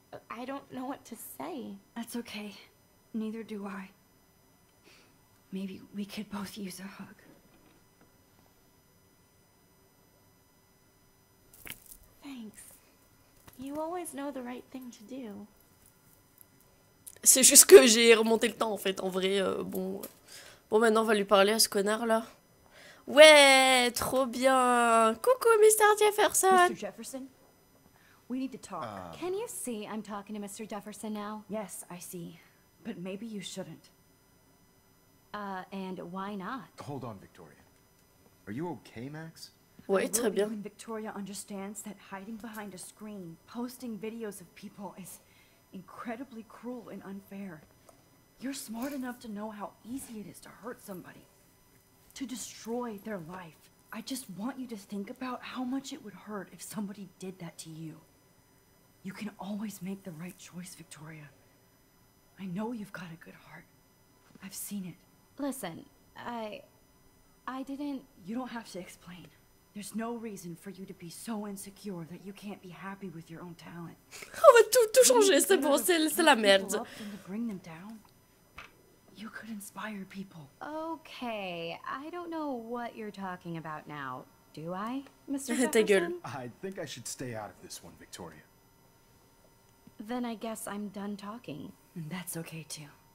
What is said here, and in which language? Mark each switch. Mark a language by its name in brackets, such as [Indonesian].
[English] I don't know what to say. That's okay. Neither do I. Maybe we could both use a hug. Thanks. You always know the right thing to do. [French] C'est juste que j'ai remonté le temps en fait. En vrai, bon. Bon, maintenant on va lui parler à ce connard là. Ouais, trop bien. Coucou, Mr. Jefferson. [English] Mr. Jefferson, we need to talk. Can you see I'm talking to Mr. Jefferson now? Yes, I see. But maybe you shouldn't. And why not? Hold on, Victoria. Are you okay, Max? [French] Ouais, très bien. [English] When Victoria understands that hiding behind a screen, posting videos of people is incredibly cruel and unfair. You're smart enough to know how easy it is to hurt somebody, to destroy their life. I just want you to think about how much it would hurt if somebody did that to you. You can always make the right choice, Victoria. I know you've got a good heart. I've seen it. Listen, I didn't... You don't have to explain. There's no reason for you to be so insecure that you can't be happy with your own talent. [French] On va tout changer, c'est bon, c'est la merde. [English] Bring them down. You could inspire people. Okay, I don't know what you're talking about now, do I, Mr. I think I should stay out of this one, Victoria. Then I guess I'm done talking. That's okay too.